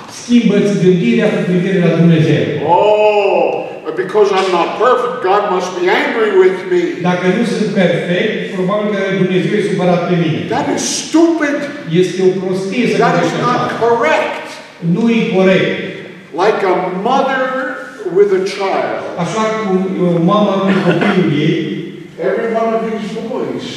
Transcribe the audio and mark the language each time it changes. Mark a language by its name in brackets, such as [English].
[Romanian] Schimbă-ți gândirea cu privire la Dumnezeu. [English] Oh, because I'm not perfect, God must be angry with me. [Romanian] Dacă nu sunt perfect, probabil că Dumnezeu e supărat pe mine. [English] That is stupid. [Romanian] Este o prostie să [English] that is not correct. [Romanian] Nu e corect. [English] Like a mother with a child. [Romanian] Așa cum mama cu copilul ei. [English] Every one of these boys.